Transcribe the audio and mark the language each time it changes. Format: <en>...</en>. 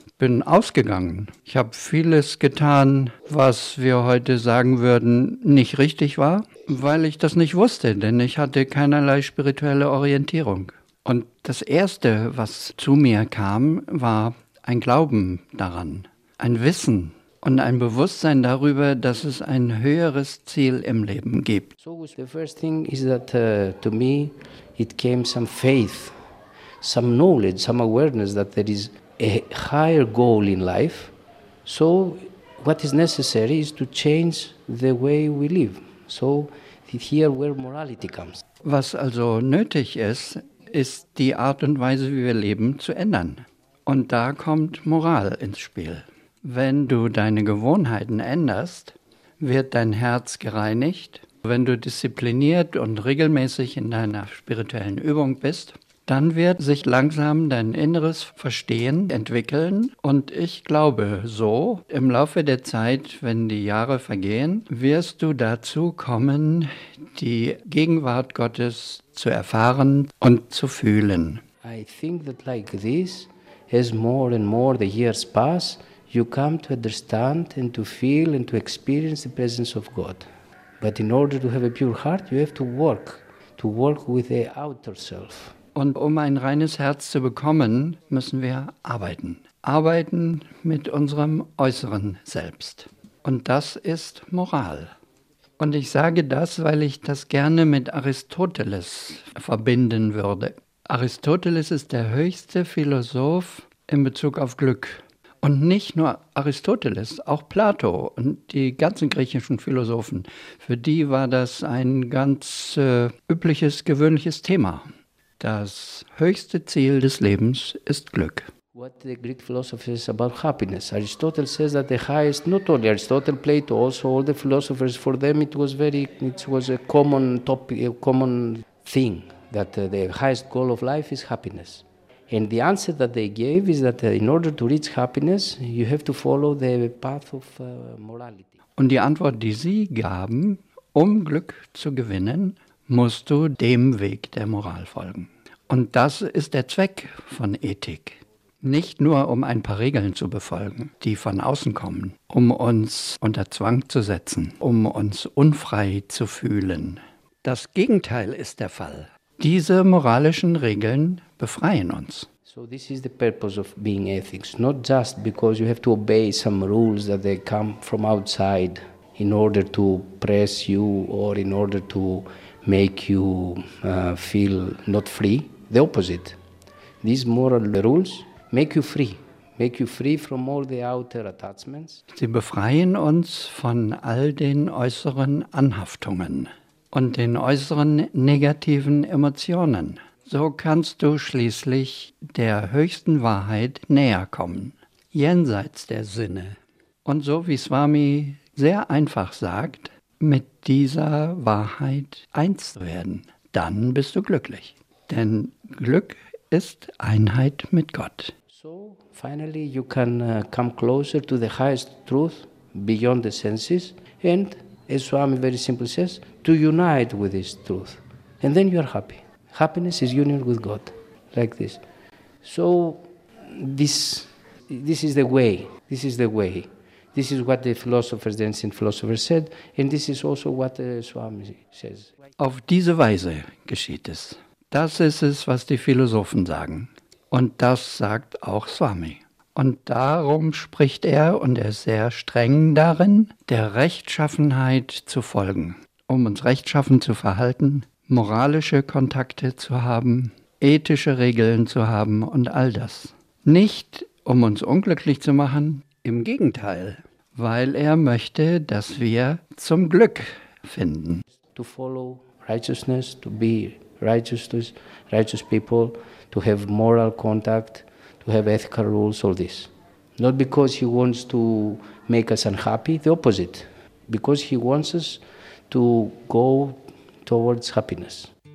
<de>Bin ausgegangen. Ich habe vieles getan, was wir heute sagen würden, nicht richtig war, weil ich das nicht wusste, denn ich hatte keinerlei spirituelle Orientierung. Und das Erste, was zu mir kam, war ein Glauben daran, ein Wissen und ein Bewusstsein darüber, dass es ein höheres Ziel im Leben gibt.</de> <en>So the first thing is that to me it came some faith, some knowledge, some awareness that there is a higher goal in life. So what is necessary is to change the way we live. So here where morality comes.</en> <de>Was also nötig ist, ist die Art und Weise, wie wir leben, zu ändern. Und da kommt Moral ins Spiel. Wenn du deine Gewohnheiten änderst, wird dein Herz gereinigt. Wenn du diszipliniert und regelmäßig in deiner spirituellen Übung bist, dann wird sich langsam dein inneres Verstehen entwickeln und ich glaube so, im Laufe der Zeit, wenn die Jahre vergehen, wirst du dazu kommen, die Gegenwart Gottes zu erfahren und zu fühlen.</de> <en>I think that like this, as more and more the years pass, you come to understand and to feel and to experience the presence of God. But in order to have a pure heart, you have to work with the outer self.</en> <de>Und um ein reines Herz zu bekommen, müssen wir arbeiten. Arbeiten mit unserem äußeren Selbst. Und das ist Moral. Und ich sage das, weil ich das gerne mit Aristoteles verbinden würde. Aristoteles ist der höchste Philosoph in Bezug auf Glück. Und nicht nur Aristoteles, auch Plato und die ganzen griechischen Philosophen, für die war das ein ganz übliches, gewöhnliches Thema. Das höchste Ziel des Lebens ist Glück.</de> <en>What the Greek philosophy says about happiness. Aristotle says that the highest, not only Aristotle, Plato, also all the philosophers, for them it was a common topic, a common thing, that the highest goal of life is happiness. And the answer that they gave is that in order to reach happiness, you have to follow the path of morality.</en> <de>Und die Antwort, die sie gaben, um Glück zu gewinnen, musst du dem Weg der Moral folgen. Und das ist der Zweck von Ethik. Nicht nur, um ein paar Regeln zu befolgen, die von außen kommen, um uns unter Zwang zu setzen, um uns unfrei zu fühlen. Das Gegenteil ist der Fall. Diese moralischen Regeln befreien uns.</de> <en>So this is the purpose of being ethics, not just because you have to obey some rules that they come from outside in order to press you or in order to make you feel not free. The opposite. These moral rules make you free. Make you free from all the outer attachments.</en> <de>Sie befreien uns von all den äußeren Anhaftungen und den äußeren negativen Emotionen. So kannst du schließlich der höchsten Wahrheit näher kommen, jenseits der Sinne. Und so wie Swami sehr einfach sagt, mit dieser Wahrheit eins werden, dann bist du glücklich. Denn Glück ist Einheit mit Gott.</de> <en>So finally you can come closer to the highest truth beyond the senses and, as Swami very simply says, to unite with this truth. And then you are happy. Happiness is union with God, like this. So this is the way. This is the way. This is what the philosophers, the ancient philosophers said, and this is also what Swami says.</en> <de>Auf diese Weise geschieht es. Das ist es, was die Philosophen sagen. Und das sagt auch Swami. Und darum spricht er, und er ist sehr streng darin, der Rechtschaffenheit zu folgen, um uns rechtschaffen zu verhalten, moralische Kontakte zu haben, ethische Regeln zu haben und all das. Nicht, um uns unglücklich zu machen, im Gegenteil, weil er möchte, dass wir zum Glück finden.</de> <en>To follow righteousness, to be righteous people, to have moral contact, to have ethical rules, all this. Not because he wants to make us unhappy, the opposite. Because he wants us to go towards happiness.</en>